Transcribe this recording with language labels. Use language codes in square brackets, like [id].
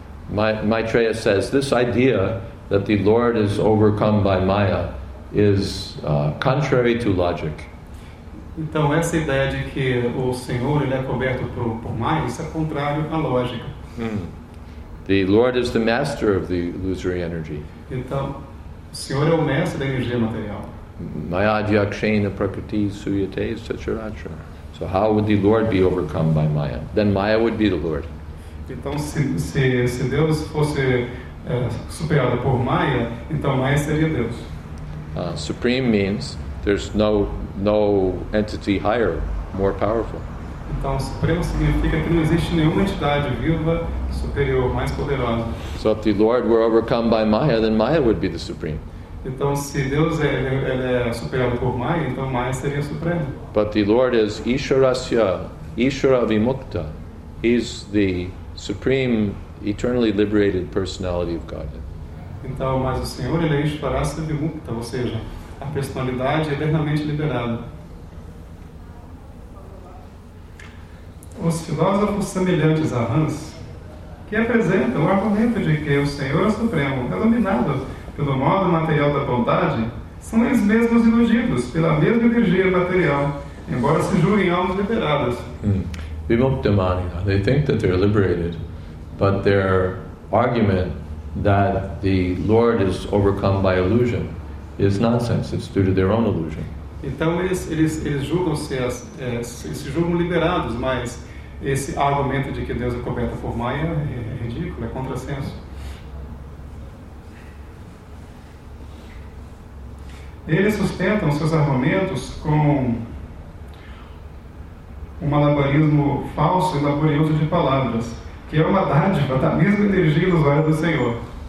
[en] Maitreya says, this idea that the Lord is overcome by Maya is contrary to logic. [pt] Então, essa ideia de que o Senhor ele é coberto por Maya, isso é contrário à lógica. [en] The Lord is the master of the illusory energy. [pt] Então, o Senhor é o mestre da energia material. [sa] Maya adhyakshena prakriti suyate sacharachara. [en] So how would the Lord be overcome by Maya? Then Maya would be the Lord. [pt] Então, se Deus fosse superado por Maya, então Maya seria Deus. [en] Supreme means there's no entity higher, more powerful. [pt] Então, supremo significa que não existe nenhuma entidade viva superior, mais poderosa. [en] So if the Lord were overcome by Maya, then Maya would be the supreme. [pt] Então, se Deus ele é superado por Maya, então Maya seria supremo. [en] But the Lord is Isharasya, Ishara Vimukta. He's the supreme, eternally liberated personality of Godhead. [pt] Então, mas o Senhor ele é Ishvarasya Vimukta, ou seja, a personalidade eternamente liberada. Os filósofos semelhantes a Hans, que apresentam o argumento de que o Senhor Supremo é dominado pelo modo material da bondade, são eles mesmos iludidos pela mesma energia material, embora se julguem almas liberadas. [en] Vimuktamanina, they think that they're liberated, but their argument that the Lord is overcome by illusion is nonsense. It's due to their own illusion. [pt] Então eles julgam liberados, mas esse argumento de que Deus é coberto por Maya é ridículo, é contrassenso. Eles sustentam seus argumentos com um malabarismo falso e laborioso de palavras, que é uma dádiva da mesma energia ilusória do Senhor.